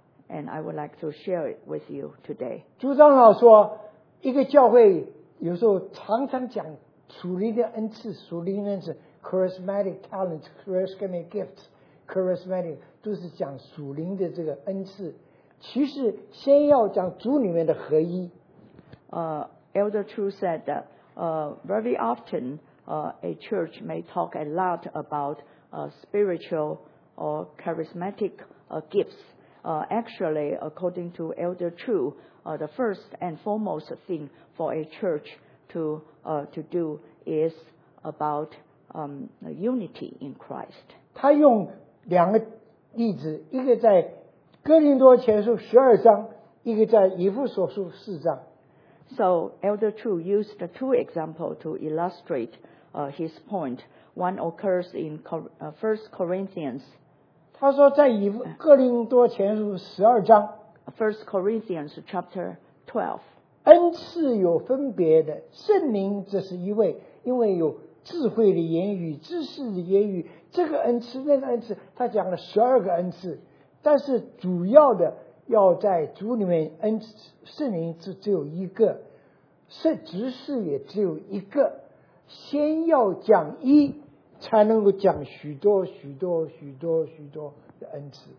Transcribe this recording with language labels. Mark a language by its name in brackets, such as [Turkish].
[English] And I would like to share it with you today. [Chinese] 朱长老说，一个教会有时候常常讲属灵的恩赐，属灵恩赐 ， [English] charismatic talents, charismatic gifts, charismatic [Chinese] 都是讲属灵的这个恩赐。其实先要讲主里面的合一。 [English] Elder Chu said that very often a church may talk a lot about spiritual or charismatic gifts. Actually, according to Elder Chu, the first and foremost thing for a church to do is about unity in Christ. [Chinese] 他用两个例子，一个在哥林多前书十二章，一个在以弗所书四章。 [English] So Elder Chu used two examples to illustrate his point. One occurs in First Corinthians. [Chinese] 他说在以哥林多前书十二章 [English] First Corinthians chapter 12 [Chinese] 恩赐有分别的，圣灵这是一位，因为有智慧的言语，知识的言语，这个恩赐那个恩赐，他讲了十二个恩赐，但是主要的要在主里面，恩赐圣灵是只有一个，执事也只有一个，先要讲一才能够讲许多许多许多许多的恩赐。